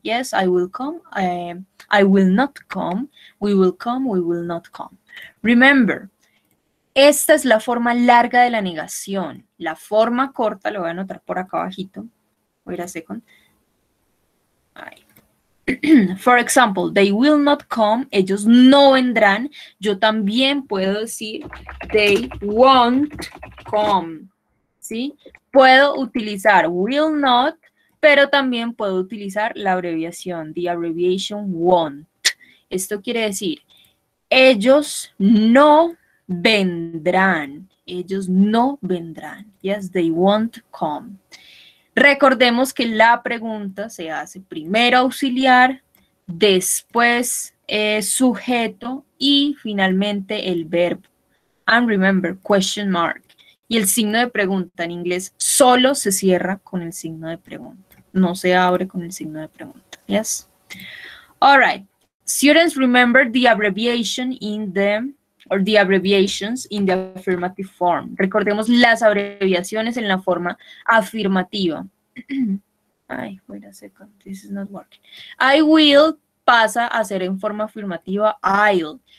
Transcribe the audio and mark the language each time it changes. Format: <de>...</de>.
<en>Yes, I will come, I will not come, we will come, we will not come. Remember,</en> <es>esta es la forma larga de la negación. La forma corta, lo voy a anotar por acá abajito.</es> <en>Wait a second. For example, they will not come,</en> <es>ellos no vendrán. Yo también puedo decir,</es> <en>they won't come.</en> <es>¿Sí? Puedo utilizar will not, pero también puedo utilizar la abreviación,</es> <en>the abbreviation won't.</en> <es>Esto quiere decir, ellos no vendrán. Ellos no vendrán.</es> <en>Yes, they won't come.</en> <es>Recordemos que la pregunta se hace primero auxiliar, después sujeto y finalmente el verbo.</es> <en>And remember, question mark.</en> <es>Y el signo de pregunta en inglés solo se cierra con el signo de pregunta. No se abre con el signo de pregunta.</es> <en>Yes. All right. Students remember the abbreviation in the or the abbreviations in the affirmative form.</en> <es>Recordemos las abreviaciones en la forma afirmativa.</es> <en>Ay, wait a second, this is not working.</en> <es>I will pasa a ser en forma afirmativa I'll.</es>